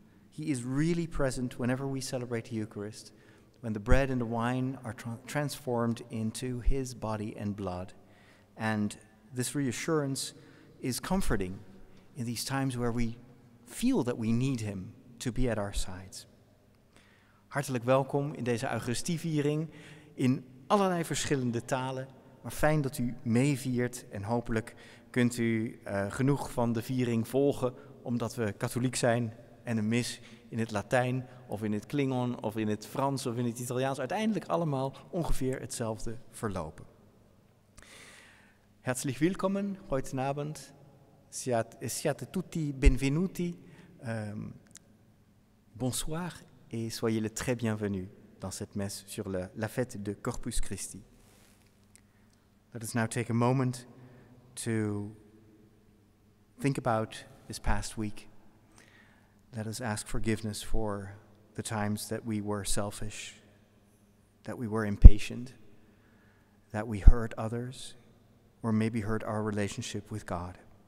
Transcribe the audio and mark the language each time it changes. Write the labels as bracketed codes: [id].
[en] He is really present whenever we celebrate the Eucharist, when the bread and the wine are transformed into his body and blood. And this reassurance is comforting in these times where we feel that we need him to be at our sides. [nl] Hartelijk welkom in deze Eucharistieviering in allerlei verschillende talen. Maar fijn dat u meeviert en hopelijk kunt u genoeg van de viering volgen, omdat we katholiek zijn en een mis in het Latijn of in het Klingon of in het Frans of in het Italiaans uiteindelijk allemaal ongeveer hetzelfde verlopen. [de] Herzlich willkommen heute Abend. [it] Siate tutti benvenuti, [fr] bonsoir et soyez le très bienvenus dans cette messe sur la fête de Corpus Christi. [en] Let us now take a moment to think about this past week. Let us ask forgiveness for the times that we were selfish, that we were impatient, that we hurt others, or maybe hurt our relationship with God.